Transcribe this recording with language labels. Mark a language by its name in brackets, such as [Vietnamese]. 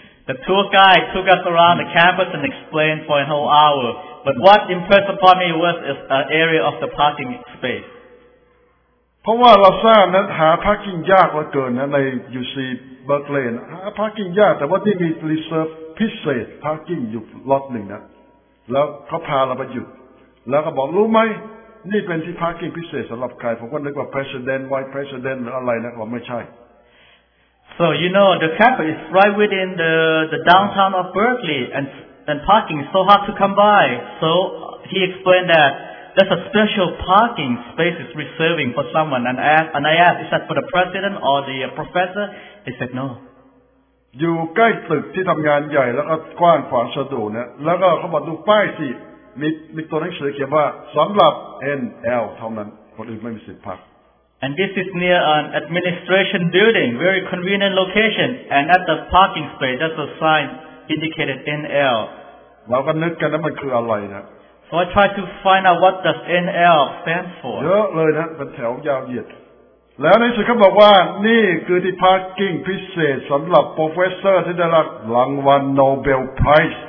[English] The tour guide took us around the campus and explained for a whole hour but what impressed upon me was is an area of the parking space [Thai] เพราะว่าเราทราบนั้นหาพาร์คกิ้งยากเหลือเกินนะใน UC Berkeley นะหาพาร์คกิ้งยากแต่ว่าที่มี reserve พิเศษพาร์คกิ้งอยู่ล็อตหนึ่งนะแล้วเขาพาเราไปหยุดแล้วก็บอกรู้ไหมนี่เป็นที่พาร์คกิ้งพิเศษสำหรับใครผมก็นึกว่า President White President หรืออะไรนะว่าไม่ใช่ [English] So you know the campus is right within the downtown of Berkeley and parking is so hard to come by so he explained thatThere's a special parking space is reserving for someone, and I asked, is that for the president or the professor? He said no. [Thai] อยู่ใกล้ตึกที่ทำงานใหญ่แล้วก็กว้างขวางสะดวกนะแล้วก็เขาบอกดูป้ายสิมีตัวหนังสือเขียนว่าสำหรับ NL เท่านั้นคนอื่นไม่มีสิทธิ์พัก [English] And this is near an administration building, very convenient location, and at the parking space, there's a sign indicated NL. [Thai] เราก็นึกกันนะมันคืออะไรนะ [English] So I tried to find out what does NL stand for. [Thai] เยอะเลยนะเป็นแถวยาวเหยียดแล้วในสุดเขาบอกว่านี่คือที่พาร์คิ้งพิเศษสำหรับโปรเฟสเซอร์ที่ได้รับรางวัลโนเบลไพรส